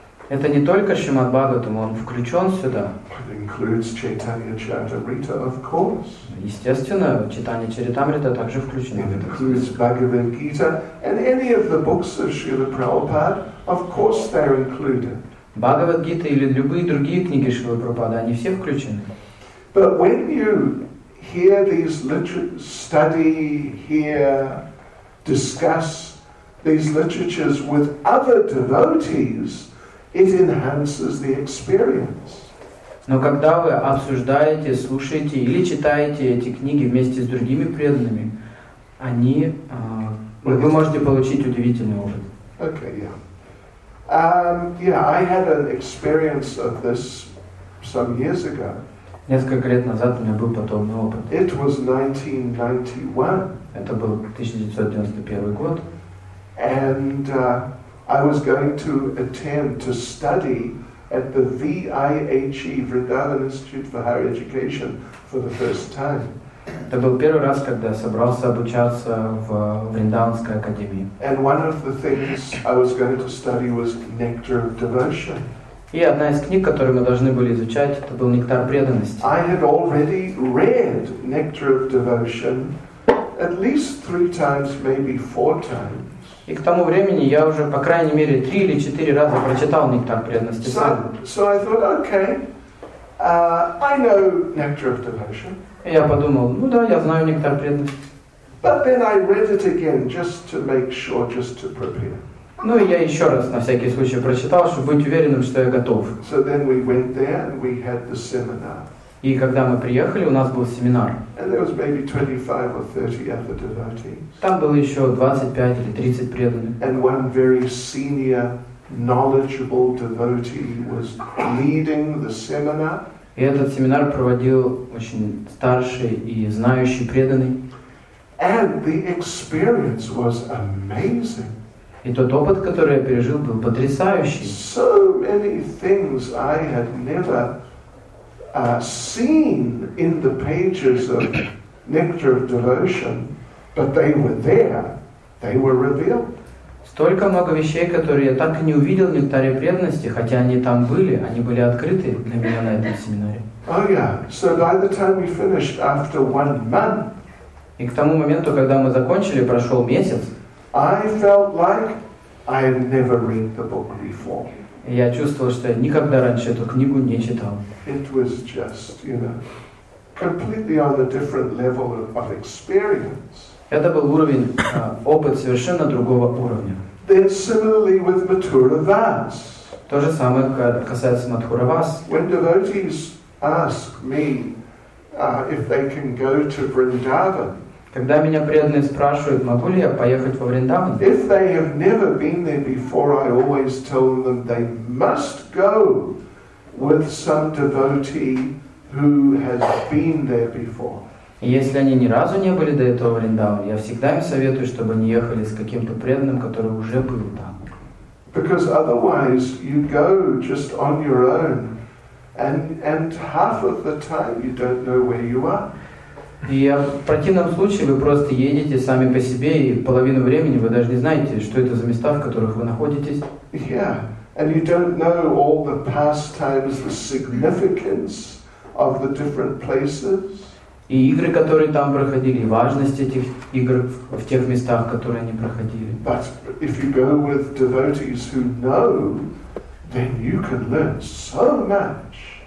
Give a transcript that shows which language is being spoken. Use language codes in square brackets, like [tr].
[ru] Это не только Шримад Бхагаватам, он включен сюда. [en] It includes Chaitanya Charitamrita, of course. [ru] Естественно, Чайтанья Чаритамрита также включен. [en] It includes Bhagavad Gita and any of the books of Srila Prabhupada, of course, they're included. [ru] Бхагавад Гита или любые другие книги Шрилы Прабхупады, они все включены. [en] But when you hear these study, hear, discuss these literatures with other devotees, it enhances the experience. [ru] Но когда вы обсуждаете, слушаете или читаете эти книги вместе с другими преданными, они, вы можете получить удивительный опыт. [en] Okay, yeah. I had an experience of this some years ago. [ru] Несколько лет назад у меня был подобный опыт. [en] It was 1991. [ru] Это был 1991 год. [en] And I was going to attend to study at the VIHE, Vrindavan Institute for Higher Education, for the first time. [ru] Это был первый раз, когда я собрался обучаться в Вриндаванской академии. [en] And one of the things I was going to study was Nectar of Devotion. [ru] И одна из книг, которую мы должны были изучать, это был Нектар преданности. [en] I had already read Nectar of Devotion at least 3 times, maybe 4 times. [ru] И к тому времени я уже по крайней мере 3 или 4 раза прочитал Нектар преданности. [en] So I thought, okay, I know Nectar of Devotion. [ru] И я подумал, ну да, я знаю Нектар преданности. [en] But then I read it again, just to make sure, just to prepare. [ru] Ну и я еще раз на всякий случай прочитал, чтобы быть уверенным, что я готов. [en] So then we went there and we had the seminar. [ru] И когда мы приехали, у нас был семинар. [en] And there was maybe 25 or 30 other devotees. [ru] Там было еще 25 или 30 преданных. [en] And one very senior, knowledgeable devotee was leading the seminar. [ru] И этот семинар проводил очень старший и знающий преданный. [en] And the experience was amazing. [ru] И тот опыт, который я пережил, был потрясающий. [en] So many things I had never seen in the pages of Nectar of Devotion, but they were there, they were revealed. [ru] Столько много вещей, которые я так и не увидел в Нектаре преданности, хотя они там были, они были открыты для меня на этом семинаре. [en] Oh yeah, so by the time we finished after 1 month, [ru] и к тому моменту, когда мы закончили, прошел месяц, [en] I felt like I had never read the book before. [ru] Я чувствовал, что я никогда раньше эту книгу не читал. [en] It was just, you know, completely on a different level of experience. [ru] Это был уровень, опыт совершенно другого уровня. [en] Then similarly with Mathura Vas. [ru] То же самое касается Mathura Vas. [en] When devotees ask me if they can go to Vrindavan, [ru] Когда меня преданные спрашивают, могу ли я поехать во Вриндаван? [en] If they have never been there before, I always tell them they must go with some devotee who has been there before. [ru] Если они ни разу не были до этого в Вриндаване, я всегда им советую, чтобы они ехали с каким-то преданным, который уже был там. [en] Because otherwise you go just on your own, and half of the time you don't know where you are. [ru] И в противном случае вы просто едете сами по себе, и половину времени вы даже не знаете, что это за места, в которых вы находитесь. [en] Yeah, and you don't know all the pastimes, the significance of the different places. [ru] И игры, которые там проходили, и важность этих игр в тех местах, которые они проходили. [en] But if you go with devotees who know, then you can learn so much.